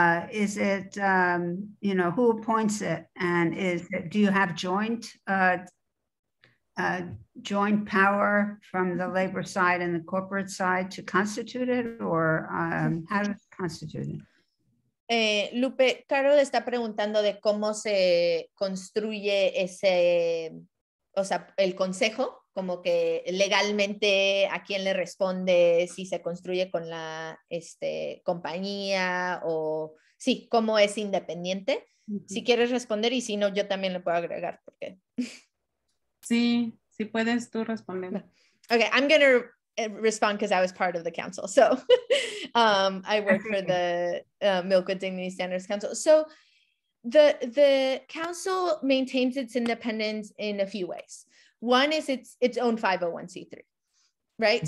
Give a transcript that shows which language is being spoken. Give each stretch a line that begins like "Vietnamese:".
English: Is it, you know, who appoints it? And do you have joint power from the labor side and the corporate side to constitute it, or how to constitute it?
Spanish: Lupe, Carol está preguntando de cómo se construye ese, o sea, el consejo, como que legalmente a quién le responde, si se construye con la compañía, o sí, cómo es independiente. Si quieres responder, y si no, yo también le puedo agregar, porque sí puedes tú responder.
English: Okay, I'm gonna respond because I was part of the council. So I work for the Milk with Dignity Standards Council. So The council maintains its independence in a few ways. One is its own 501c3, right?